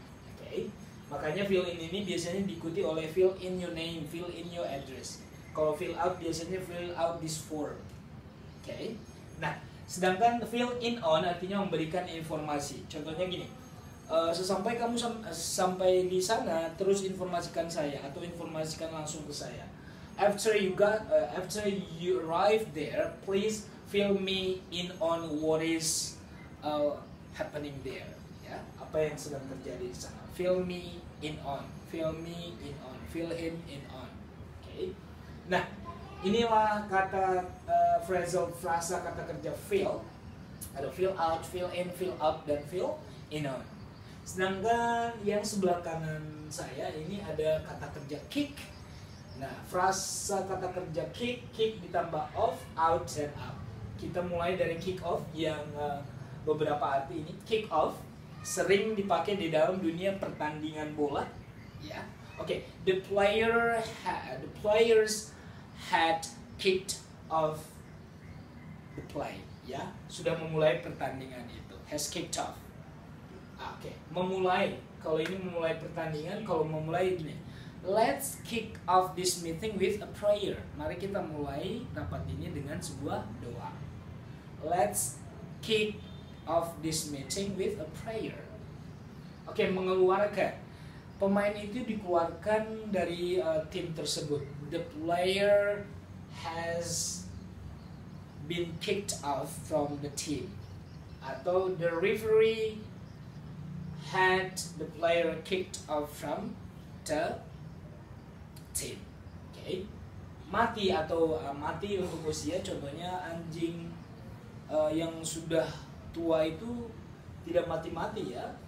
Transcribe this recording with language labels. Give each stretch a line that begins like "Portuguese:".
Indonesian: Oke, makanya
English: fill in
Indonesian: ini biasanya diikuti oleh
English: fill in your name, fill in your address.
Indonesian: Kalau
English: fill out,
Indonesian: biasanya
English: fill out this form.
Indonesian: Oke,
English: okay.
Indonesian: Nah, sedangkan
English: fill in on
Indonesian: artinya memberikan informasi. Contohnya gini, sesampai kamu sampai di sana, terus informasikan saya atau informasikan langsung ke saya.
English: After you arrive there, please fill me in on what is happening there.
Indonesian: Ya, apa yang sedang terjadi di sana?
English: Fill me in on, fill me in on, fill him in on.
Indonesian: Oke,
English: okay.
Indonesian: Nah. Inilah kata phrasal frasa kata kerja fill. Ada
English: fill out, fill in, fill up,
Indonesian: dan
English: fill in on.
Indonesian: Sedangkan yang sebelah kanan saya ini ada kata kerja kick. Nah, frasa kata kerja
English: kick, kick
Indonesian: ditambah
English: off, out, and up.
Indonesian: Kita mulai dari kick off yang beberapa arti ini. Kick off sering dipakai di dalam dunia pertandingan bola. Ya, oke.
English: Okay. The players had kicked off the play,
Indonesian: ya, sudah memulai pertandingan itu,
English: has kicked off.
Indonesian: Oke, okay. Memulai, kalau ini memulai pertandingan, kalau memulai ini,
English: let's kick off this meeting with a prayer.
Indonesian: Mari kita mulai rapat ini dengan sebuah doa.
English: Let's kick off this meeting with a prayer.
Indonesian: Oke, okay, mengeluarkan. Pemain itu dikeluarkan dari tim tersebut.
English: The player has been kicked out from the team.
Indonesian: Atau
English: the referee had the player kicked out from the team. Okay.
Indonesian: Mati atau mati untuk usia, contohnya anjing yang sudah tua itu tidak mati-mati ya.